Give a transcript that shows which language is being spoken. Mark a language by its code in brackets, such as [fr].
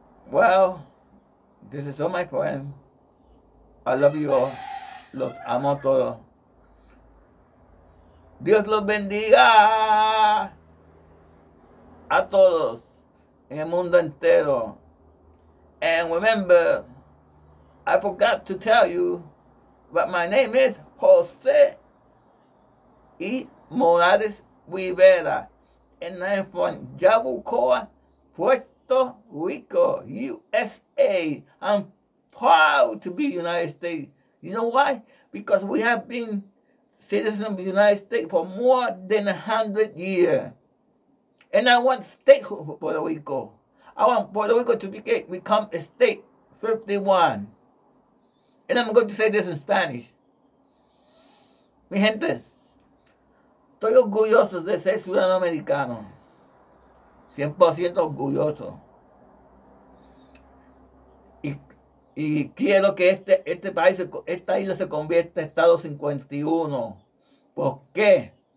[en] Well, this is all my friend. I love you all. [es] Los amo todos. Dios los bendiga a todos en el mundo entero. [en] And remember, I forgot to tell you, but my name is Jose E. Morales Rivera. And I'm from Yabucoa, Puerto Rico, USA. I'm proud to be United States. You know why? Because we have been citizens of the United States for more than 100 years. And I want statehood for Puerto Rico. I want Puerto Rico to become a state 51. And I'm going to say this in Spanish. [es] Mi gente, estoy orgulloso de ser ciudadano americano. 100% orgulloso. Y quiero que este país, esta isla se convierta en Estado 51. ¿Por qué?